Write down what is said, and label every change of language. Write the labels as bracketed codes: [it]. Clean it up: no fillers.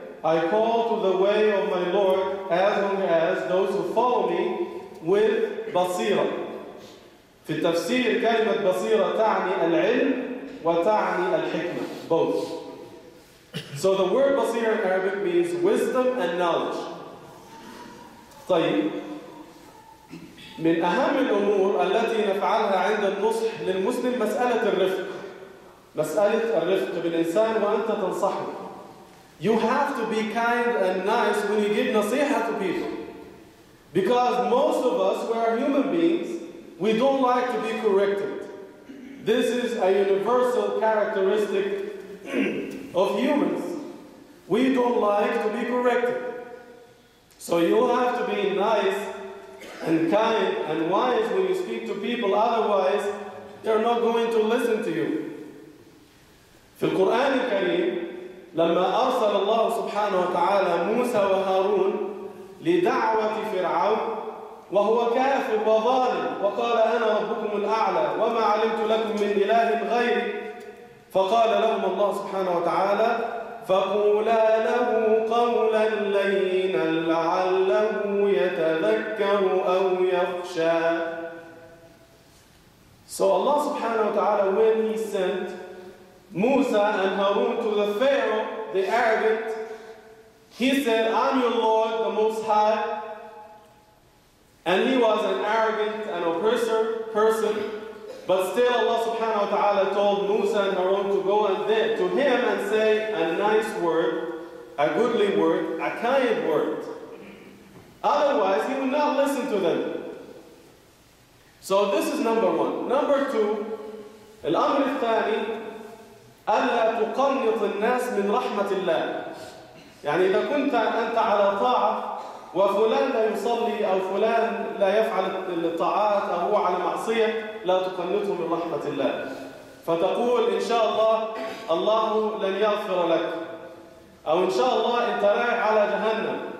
[en] I call to the way of my Lord as long as those who follow me with basira. [ar] في التفسير كلمة بصيرة تعني العلم وتعني الحكمة. [en] Both. So the word basira in Arabic means wisdom and knowledge. [ar] طيب. من أهم الأمور التي نفعلها عند النصح للمسلم مسألة الرفق. مسألة الرفق بالإنسان وأنت تنصحه. [en] You have to be kind and nice when you give nasiha to people. Because most of us, we are human beings, we don't like to be corrected. This is a universal characteristic of humans. We don't like to be corrected. So you have to be nice and kind and wise when you speak to people, otherwise they're not going to listen to you. [ar] في القرآن الكريم لما أرسل الله سبحانه وتعالى موسى وهارون لدعوة فرعون وهو كافر وظالم وقال أنا ربكم الأعلى وما علمت لكم من إله غيري فقال لهم الله سبحانه وتعالى فقولا له قولا لينا لعله يتذكر أو يخشى. [en] So Allah [ar] سبحانه وتعالى [en] when he sent موسى and هارون to the Pharaoh, the Arabic, he said, I'm your Lord, the Most High. And he was an arrogant and oppressor person. But still Allah subhanahu wa ta'ala told Musa and Harun to go and to him and say a nice word, a goodly word, a kind word. Otherwise, he would not listen to them. So this is number one. Number two, [ar] الأمر الثاني, ألا تقنط الناس من رحمة الله. يعني إذا كنت أنت على طاعة وفلان لا يصلي أو فلان لا يفعل الطاعات أو هو على معصية لا تقنطه من رحمة الله فتقول إن شاء الله الله لن يغفر لك أو إن شاء الله أنت رايح على جهنم.